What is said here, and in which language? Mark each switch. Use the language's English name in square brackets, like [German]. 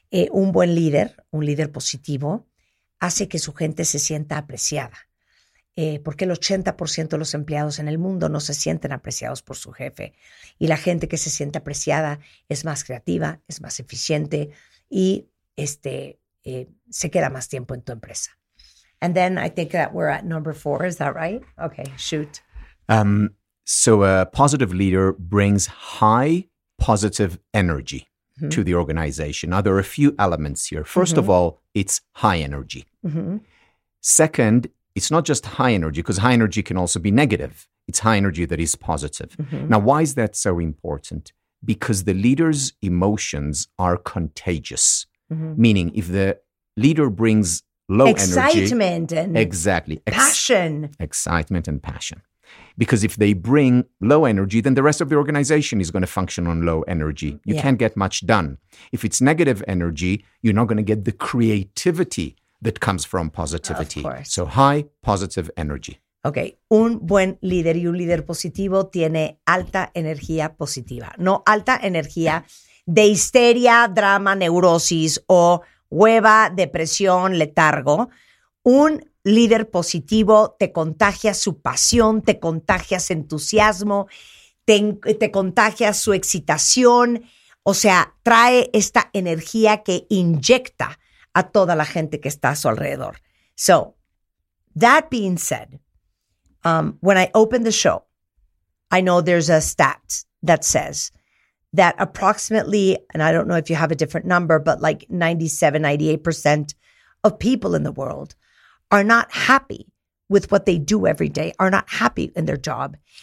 [Spanish] Un buen líder, un líder positivo, hace que su gente se sienta apreciada. Porque el 80% de los empleados en el mundo no se sienten apreciados por su jefe. Y la gente que se siente apreciada es más creativa, es más eficiente y se queda más tiempo en tu empresa. [English] And then I think that we're at number four, is that right? Okay, shoot. So a positive leader brings high positive energy mm-hmm. to the organization. Now, there are a few elements here. First mm-hmm. of all, it's high energy. Mm-hmm. Second, it's not just high energy, because high energy can also be negative. It's high energy that is positive. Mm-hmm. Now, why is that so important? Because the leader's emotions are contagious. Mm-hmm. Meaning, if the leader brings low excitement energy. Passion. Excitement and passion. Because if they bring low energy, then the rest of the organization is going to function on low energy. You can't get much done. If it's negative energy, you're not going to get the creativity that comes from positivity. Of course. So high positive energy. Okay. [Spanish] Un buen líder y un líder positivo tiene alta energía positiva. No alta energía de histeria, drama, neurosis o hueva, depresión, letargo. Un líder positivo te contagia su pasión, te contagia su entusiasmo, te contagia su excitación. O sea, trae esta energía que inyecta a toda la gente que está a su alrededor. [English] So, that being said, when I opened the show, I know there's a stat that says that approximately, and I don't know if you have a different number, but like 97-98% of people in the world are not happy with what they do every day, are not happy in their job.